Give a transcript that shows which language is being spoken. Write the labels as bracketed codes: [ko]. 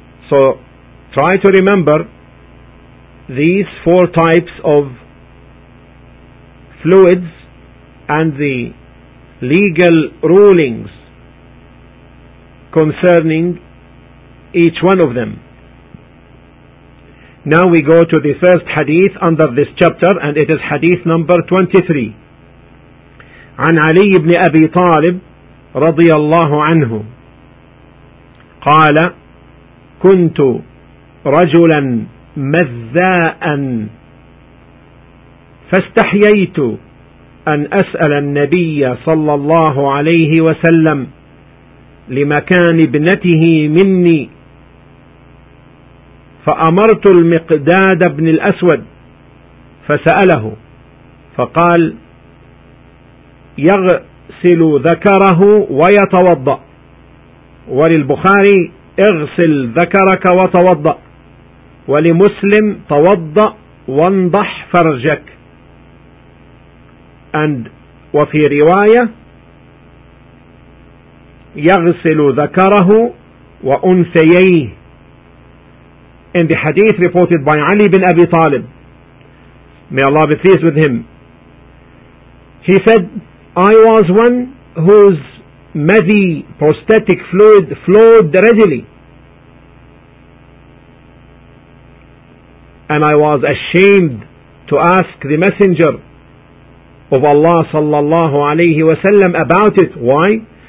[en] So try to remember these four types of fluids and the legal rulings concerning each one of them. Now we go to the first hadith under this chapter, and it is hadith number 23. [ar] عن علي بن أبي طالب رضي الله عنه قال كنت رجلا مذاء فاستحييت أن أسأل النبي صلى الله عليه وسلم لمكان ابنته مني، فأمرت المقداد بن الأسود فسأله فقال يغسل ذكره ويتوضأ. وللبخاري اغسل ذكرك وتوضأ، ولمسلم توضأ وانضح فرجك، وفي رواية يغسل ذكره وأنثيه. [en] In the hadith reported by Ali bin Abi Talib, may Allah be pleased with him, he said, I was one whose madhi, prosthetic fluid, flowed readily, and I was ashamed to ask the Messenger of Allah sallallahu alayhi wa sallam about it. Why?